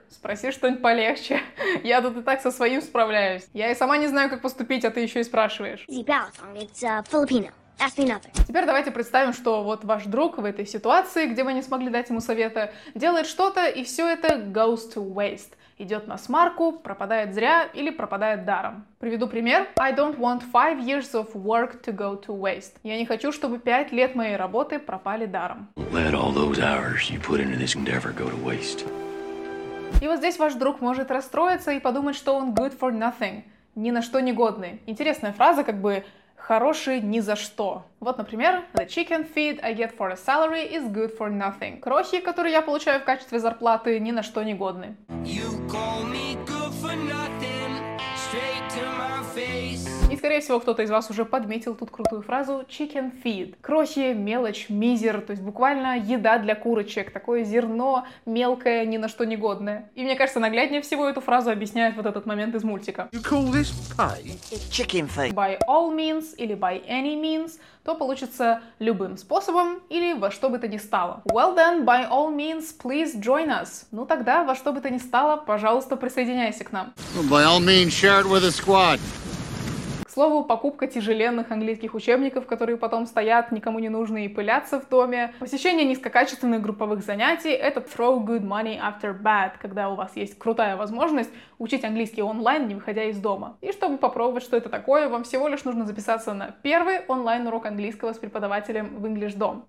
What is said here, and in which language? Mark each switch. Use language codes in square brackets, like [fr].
[ru] Спроси что-нибудь полегче. Я тут и так со своим справляюсь. Я и сама не знаю, как поступить, а ты еще и спрашиваешь. [en] It's Filipino. Ask me another. [ru] Теперь давайте представим, что вот ваш друг в этой ситуации, где вы не смогли дать ему совета, делает что-то, и все это [en] goes to waste. [ru] Идет на смарку, пропадает зря или пропадает даром. Приведу пример. [en] I don't want 5 years of work to go to waste. [ru] Я не хочу, чтобы 5 лет моей работы пропали даром. [en] Let all those hours you put into this endeavor go to waste. [ru] И вот здесь ваш друг может расстроиться и подумать, что он [en] good for nothing. [ru] Ни на что не годный. Интересная фраза, как бы хороший ни за что. Вот, например, [en] the chicken feed I get for a salary is good for nothing. [ru] Крохи, которые я получаю в качестве зарплаты, ни на что не годны. И, скорее всего, кто-то из вас уже подметил тут крутую фразу [en] chicken feed. [ru] Крохи, мелочь, мизер, то есть буквально еда для курочек. Такое зерно мелкое, ни на что не годное. И мне кажется, нагляднее всего эту фразу объясняет вот этот момент из мультика. [en] You call this pie? It's chicken feed. By all means [ru] или [en] by any means, [ru] то получится любым способом или во что бы то ни стало. [en] Well then, by all means, please join us. [ru] Ну тогда, во что бы то ни стало, пожалуйста, присоединяйся к нам. [en] By all means, share it with the squad. [ru] К слову, покупка тяжеленных английских учебников, которые потом стоят, никому не нужны и пылятся в доме. Посещение низкокачественных групповых занятий — это [en] throw good money after bad, [ru] когда у вас есть крутая возможность учить английский онлайн, не выходя из дома. И чтобы попробовать, что это такое, вам всего лишь нужно записаться на первый онлайн-урок английского с преподавателем в EnglishDom.